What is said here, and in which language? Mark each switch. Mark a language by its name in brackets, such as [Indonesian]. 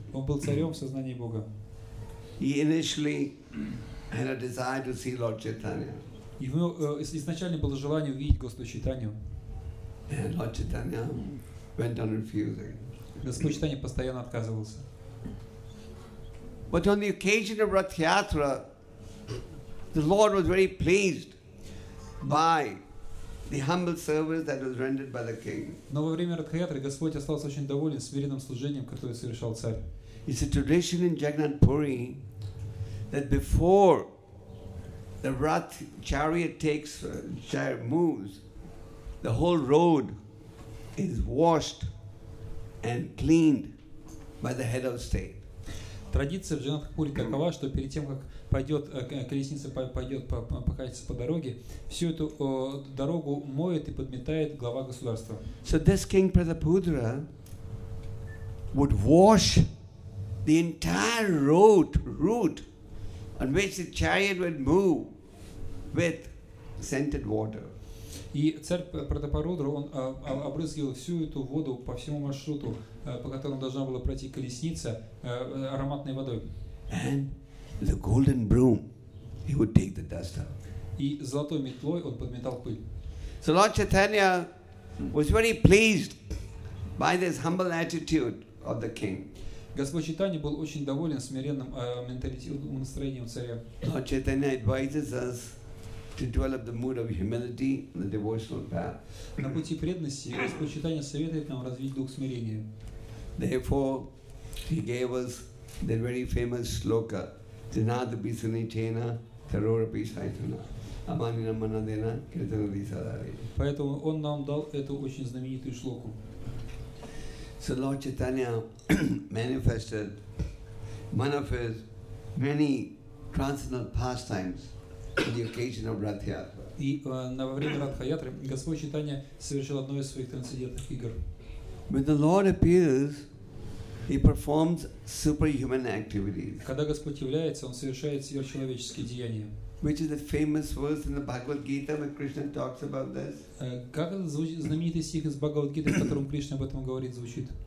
[Russian] Он был царем в сознании Бога. [English] He initially had a desire to see Lord Chaitanya. [Russian] Его изначально было желание увидеть Господа Чайтанью. [English] And Lord Chaitanya went on refusing. [Russian] Господь Чайтанья постоянно отказывался. [English] But on the occasion of Rath Yatra, the Lord was very pleased by the humble service that was rendered by the king. [Russian] Но во время Ратхаятры Господь остался очень доволен смиренным служением, которое совершал царь. [English] It's a tradition in Jagannath Puri that before the Rath chariot takes moves, the whole road is washed and cleaned by the head of state. [Russian] Традиция в Джагнатх Пури такова, что перед тем, как колесница пойдет покатиться по дороге, всю эту дорогу моет и подметает глава государства. [English] So this king Pratapudra would wash the entire route on which the chariot would move with scented water. [Russian] И царь Пратапарудра, он обрызгивал всю эту воду по всему маршруту, по которому должна была пройти колесница, ароматной водой. [English] And the golden broom, he would take the dust out. [Russian] И золотой метлой он подметал пыль. [English] So Lord Chaitanya was very pleased by this humble attitude of the king. [Russian] Господь Чайтанья был очень доволен смиренным менталитетом, настроением царя. [English] Lord Chaitanya advises us to develop the mood of humility and the devotional path. [Russian] На пути преданности Господь Чайтанья советует нам развить дух смирения. [English] Therefore, he gave us the very famous sloka, [Sanskrit] Janath Bisanitena, Tharorapi Saitana, Amanina Manadena, Kirtana Disadari. [Russian] Поэтому он нам дал эту очень знаменитую шлоку. [English] So Lord Chaitanya manifested one of his many transcendental pastimes on the occasion of Rath Yatra. [Russian] И на время Ратха Ятры Господь Чайтанья совершил одно из своих трансцендентных игр. [English] When the Lord appears, he performs superhuman activities. [Russian] Когда Господь является, он совершает сверхчеловеческие деяния. [English] Which is a famous verse in the Bhagavad Gita when Krishna talks about this? [Russian] Как знаменитый стих из Бхагавад Гиты, в котором Кришна об этом говорит, звучит?